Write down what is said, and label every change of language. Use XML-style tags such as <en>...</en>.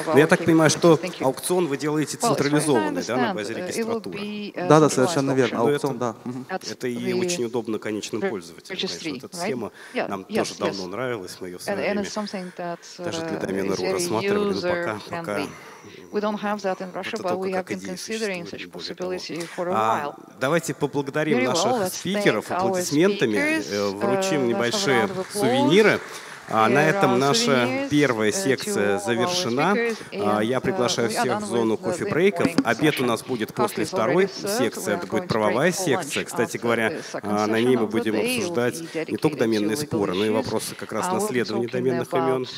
<ru>Но я так понимаю, что аукцион вы делаете централизованный, да, на базе регистратуры? Да, да, совершенно верно. Аукцион, да. Это и очень удобно конечным пользователям. Конечно, эта схема нам тоже давно нравилась. Мы ее в свое время даже для домена.ру рассматривали, но пока...</ru> <en>We don't have that in Russia, but we have been considering such possibility for a while.</en> <ru>Давайте поблагодарим наших спикеров аплодисментами, вручим небольшие сувениры. На этом наша первая секция завершена. Я приглашаю всех в зону кофе-брейков. Обед у нас будет после второй секции. Это будет правовая секция. Кстати говоря, на ней мы будем обсуждать не только доменные споры, но и вопросы как раз наследования доменных имен.</ru>